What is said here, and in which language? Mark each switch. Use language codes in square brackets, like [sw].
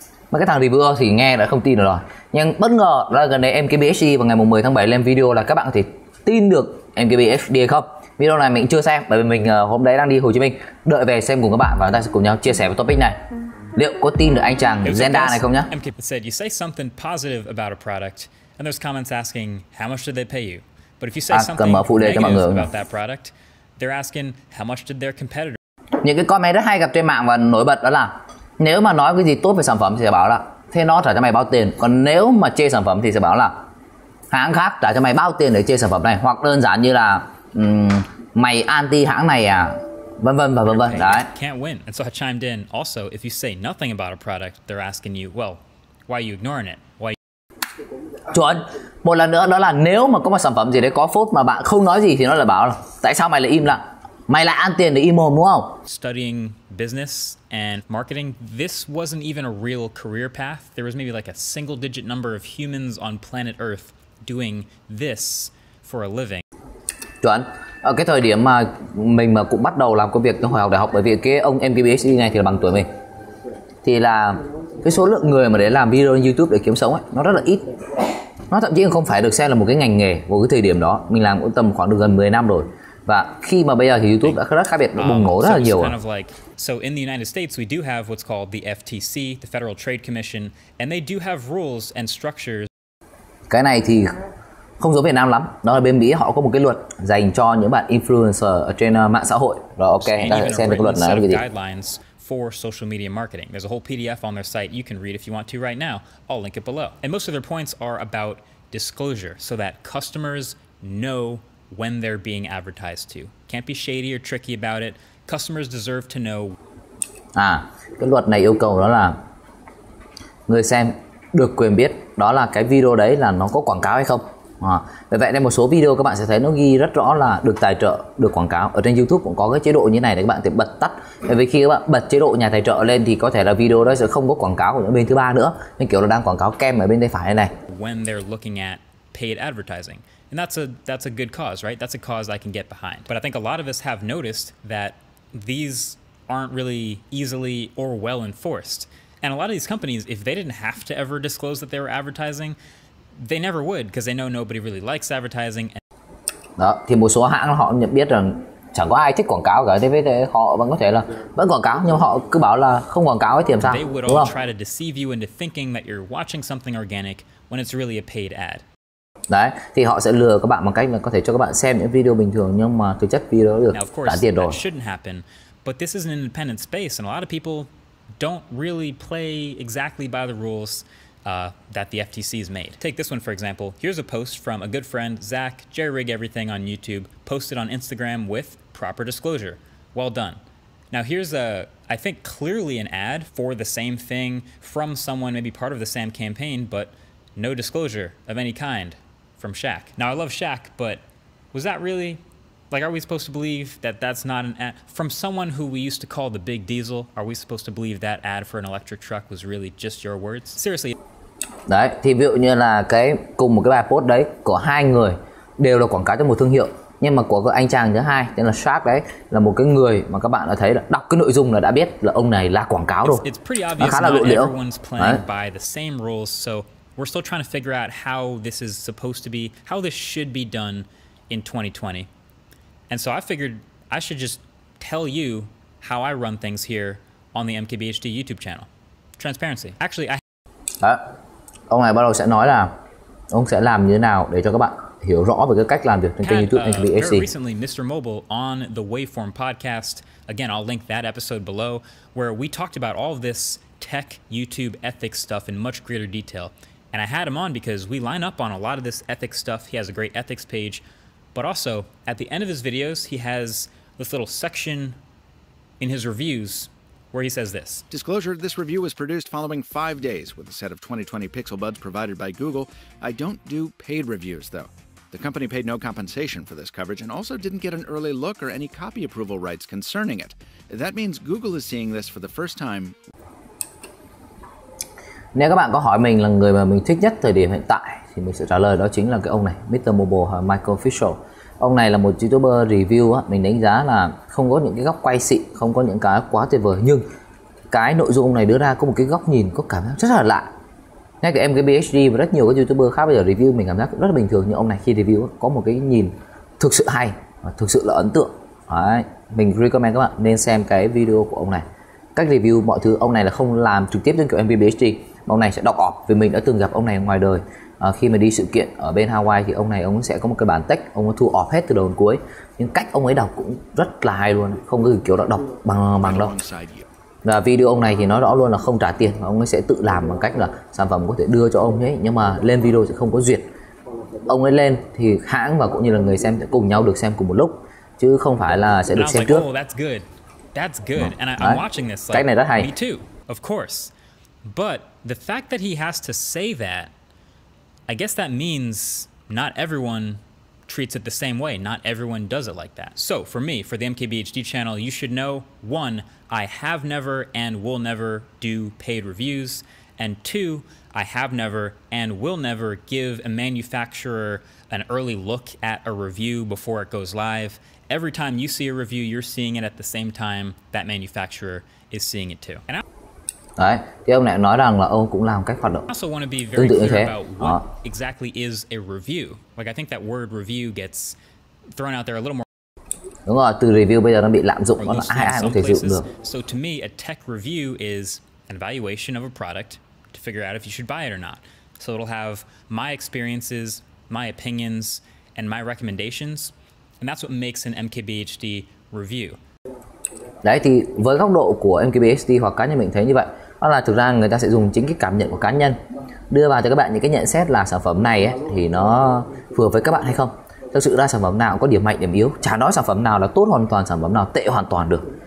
[vi] Mấy cái thằng reviewer thì nghe đã không tin được rồi. Nhưng bất ngờ là gần đây MKBHD vào ngày 10 tháng 7 lên video là các bạn có thể tin được MKBHD hay không. Video này mình chưa xem bởi vì mình hôm đấy đang đi Hồ Chí Minh. Đợi về xem cùng các bạn và chúng ta sẽ cùng nhau chia sẻ về topic này. Liệu có tin được anh chàng Zenda này không nhá? [en] MK said you say something positive about a product and there's comments asking how much did they pay you. But if you say something negative about that product, they're asking how much did their competitor. [vi] Những cái comment rất hay gặp trên mạng và nổi bật đó là nếu mà nói cái gì tốt về sản phẩm thì sẽ bảo là thế nó trả cho mày bao tiền. Còn nếu mà chê sản phẩm thì sẽ bảo là hãng khác trả cho mày bao tiền để chê sản phẩm này, hoặc đơn giản như là mày anti hãng này à. Vân vân và vân vân. Đấy. [en] Can't win. And so I chimed in. Also, if you say nothing about a product, they're asking you, well, why are you ignoring it? Why? [vi] Chuẩn. Một lần nữa đó là nếu mà có một sản phẩm gì đấy có phốt mà bạn không nói gì thì nó lại bảo là tại sao mày lại im lặng? Mày lại ăn tiền để im mồm đúng không? [en] Studying business and marketing, this wasn't even a real career path. There was maybe like a single digit number of humans on planet Earth doing this for a living. [vi] Chuẩn. Ở cái thời điểm mà mình mà cũng bắt đầu làm công việc trong hồi học đại học, bởi vì cái ông MKBHD này thì là bằng tuổi mình, thì là cái số lượng người mà để làm video lên YouTube để kiếm sống ấy, nó rất là ít. Nó thậm chí không phải được xem là một cái ngành nghề của cái thời điểm đó. Mình làm cũng tầm khoảng được gần 10 năm rồi. Và khi mà bây giờ thì YouTube đã rất khác biệt, nó bùng nổ rất là nhiều. [en] So in the United States we do have what's called the FTC, the Federal Trade Commission, and they do have rules and structures. [vi] Cái này thì không giống Việt Nam lắm. Đó là bên Mỹ họ có một cái luật dành cho những bạn influencer ở trên mạng xã hội. Rồi ok, ta sẽ xem được cái luật này là cái gì. [en] For social media marketing. There's a whole PDF on their site you can read if you want to right now. I'll link it below. And most of their points are about disclosure so that customers know when they're being advertised to. Can't be shady or tricky about it. Customers deserve to know. [vi] À, cái luật này yêu cầu đó là người xem được quyền biết đó là cái video đấy là nó có quảng cáo hay không. Vì vậy nên một số video các bạn sẽ thấy nó ghi rất rõ là được tài trợ, được quảng cáo. Ở trên YouTube cũng có cái chế độ như này để các bạn thể bật tắt. Bởi vì khi các bạn bật chế độ nhà tài trợ lên thì có thể là video đó sẽ không có quảng cáo của những bên thứ ba nữa. Nên kiểu là đang quảng cáo kem ở bên tay phải này. [en] When they're looking at paid advertising. And that's a good cause, right? That's a cause I can get behind. But I think a lot of us have noticed that these aren't really easily or well enforced. And a lot of these companies, if they didn't have to ever disclose that they were advertising, they never would because they know nobody really likes advertising. [vi] Đó, thì một số hãng họ nhận biết rằng chẳng có ai thích quảng cáo cả, thế với thế họ vẫn có thể là vẫn quảng cáo nhưng họ cứ bảo là không quảng cáo ấy thì làm sao? [en] They would [vi] đúng không? [en] Try to deceive you into thinking that you're watching something organic when it's really a paid ad. [vi] Đấy, thì họ sẽ lừa các bạn bằng cách là có thể cho các bạn xem những video bình thường nhưng mà thực chất video được trả tiền rồi. [en] Now, of course, that shouldn't happen, but this is an independent space and a lot of people don't really play exactly by the rules that the FTC has made. Take this one for example. Here's a post from a good friend, Zach, Jerry Rig Everything on YouTube, posted on Instagram with proper disclosure. Well done. Now here's a, I think clearly an ad for the same thing from someone, maybe part of the same campaign, but no disclosure of any kind from Shaq. Now I love Shaq, but was that really, like are we supposed to believe that that's not an ad? From someone who we used to call the Big Diesel, are we supposed to believe that ad for an electric truck was really just your words? Seriously. [vi] Đấy, thì ví dụ như là cái cùng một cái bài post đấy của hai người đều là quảng cáo cho một thương hiệu, nhưng mà của cái anh chàng thứ hai tên là Shark đấy là một cái người mà các bạn đã thấy là đọc cái nội dung là đã biết là ông này là quảng cáo rồi. [en] It's [vi] nó khá là lộ liễu. [en] Everyone's playing [vi] đấy. [en] By the same rules, so we're still trying to figure out how this is supposed to be, how this should be done in 2020. And so I figured I should just tell you how I run things here on the MKBHD YouTube channel. Transparency. Actually, I [vi] đó. Ông này bắt đầu sẽ nói là ông sẽ làm như thế nào để cho các bạn hiểu rõ về cái cách làm việc trên kênh YouTube MKBHD. [en] Very recently, Mr. Mobile on the Waveform podcast, again, I'll link that episode below, where we talked about all of this tech, YouTube, ethics stuff in much greater detail. And I had him on because we line up on a lot of this ethics stuff. He has a great ethics page. But also, at the end of his videos, he has this little section in his reviews where he says this. Disclosure, this review was produced following 5 days with a set of 2020 Pixel Buds provided by Google. I don't do paid reviews, though. The company paid no compensation for this coverage and also didn't get an early look or any copy approval rights concerning it. That means Google is seeing this for the first time. [vi] Nếu các bạn có hỏi mình là người mà mình thích nhất thời điểm hiện tại thì mình sẽ trả lời đó chính là cái ông này, Mr. Mobile hoặc Michael Fischel. Ông này là một YouTuber review á, mình đánh giá là không có những cái góc quay xịn, không có những cái quá tuyệt vời, nhưng cái nội dung ông này đưa ra có một cái góc nhìn có cảm giác rất là lạ. Ngay cả em cái BHD và rất nhiều các YouTuber khác bây giờ review mình cảm giác rất là bình thường, nhưng ông này khi review có một cái nhìn thực sự hay và thực sự là ấn tượng. Đấy, mình recommend các bạn nên xem cái video của ông này. Cách review mọi thứ ông này là không làm trực tiếp trên kiểu MBBHD, ông này sẽ đọc off, vì mình đã từng gặp ông này ngoài đời. Khi mà đi sự kiện ở bên Hawaii thì ông này ông sẽ có một cái bản text, ông ấy thu off hết từ đầu đến cuối. Nhưng cách ông ấy đọc cũng rất là hay luôn, không có kiểu đọc bằng đâu. Và video ông này thì nói rõ luôn là không trả tiền, ông ấy sẽ tự làm bằng cách là sản phẩm có thể đưa cho ông ấy, nhưng mà lên video sẽ không có duyệt. Ông ấy lên thì hãng và cũng như là người xem sẽ cùng nhau được xem cùng một lúc, chứ không phải là sẽ được xem trước. [en] That's good. And I'm watching this like me too. Of course. But the fact that he has to say that, I guess that means not everyone treats it the same way. Not everyone does it like that. So for me, for the MKBHD channel, you should know, one, I have never and will never do paid reviews. And two, I have never and will never give a manufacturer an early look at a review before it goes live. Every time you see a review, you're seeing it at the same time that manufacturer is seeing it too. [vi] Đấy, thì ông lại nói rằng là ông cũng làm cách hoạt động tương tự như thế. [en] Exactly is a review. Like I think that word review gets thrown out there a little more. [vi] Đúng rồi, từ review bây giờ nó bị lạm dụng, nó là ai cũng thể sử dụng được. [en] So to me, a tech review is an evaluation of a product to figure out if you should buy it or not. So it'll have my experiences, my opinions, and my recommendations. And that's what makes an MKBHD review. [vi] Đấy thì với góc độ của MKBHD hoặc cá nhân mình thấy như vậy, đó là thực ra người ta sẽ dùng chính cái cảm nhận của cá nhân đưa vào cho các bạn những cái nhận xét là sản phẩm này ấy, thì nó phù hợp với các bạn hay không. Thực sự ra sản phẩm nào cũng có điểm mạnh điểm yếu, chả nói sản phẩm nào là tốt hoàn toàn, sản phẩm nào tệ hoàn toàn được.